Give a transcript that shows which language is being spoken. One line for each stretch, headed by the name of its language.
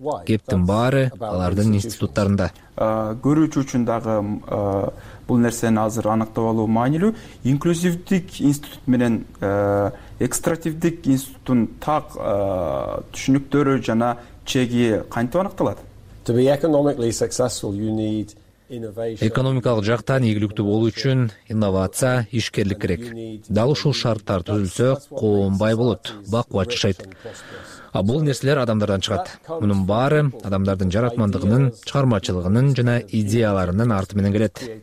Kyrgyz: Кептин баары алардын институттарында. Көрүүчү үчүн дагы бул нерсени азыр аныктап алуу маанилүү. Инклюзивдик институт менен экстративдик институттун так түшүнүктөрү жана чеги кантип аныкталат?
English: To be economically successful, you need innovation.
Kyrgyz: Экономикалык жактан ийгиликтүү болуу үчүн инновация, ишкерлик керек. Дал ушул шарттар түзүлсө, коом бай болот, бак башчышайт. А бул нерселер адамдардан чыгат. Мунун баары адамдардын жаратмандыгынын, чыгармачылыгынын жана идеяларынын арты менен келет.